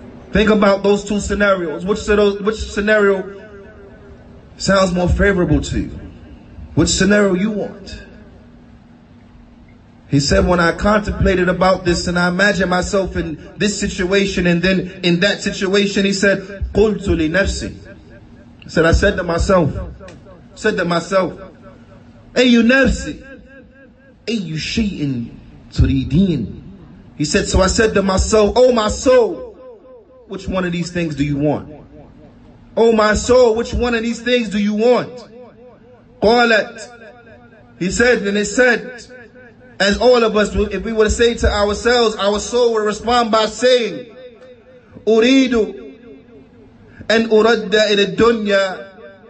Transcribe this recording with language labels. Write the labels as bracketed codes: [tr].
[en] Think about those two scenarios. Which scenario sounds more favorable to you? Which scenario you want? He said, when I contemplated about this and I imagined myself in this situation and then in that situation, he said, [ar] قُلْتُ لِنَفْسِ. [en] I said to myself, [ar] أي نفسي أي شيء تريدين. [en] He said, so I said to myself, oh my soul, which one of these things do you want? Oh my soul, which one of these things do you want? [ar] قَالَتْ. [en] He said, and it said, as all of us, if we were to say to ourselves, our soul would respond by saying, [ar] أُرِيدُ أَنْ أُرَدَّ إِلَى الدُّنْيَا.